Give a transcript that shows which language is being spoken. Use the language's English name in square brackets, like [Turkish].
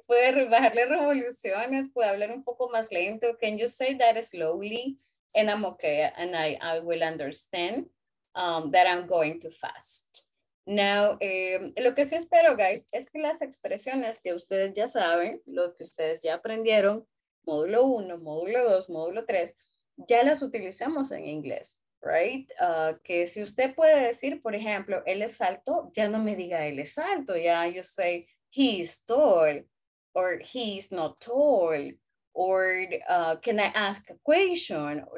[Spanish] Puede bajarle revoluciones, puede hablar un poco más lento. [English] Can you say that slowly? And I'm okay, and I will understand that I'm going too fast. [Spanish] Now, lo que sí espero, guys, es que las expresiones que ustedes ya saben, lo que ustedes ya aprendieron, módulo 1, módulo 2, módulo 3, ya las utilizamos en inglés, [English] right? [Spanish] Que si usted puede decir, por ejemplo, él es alto, ya no me diga él es alto, ya [English] you say he is tall, or he is not tall, or can I ask a question?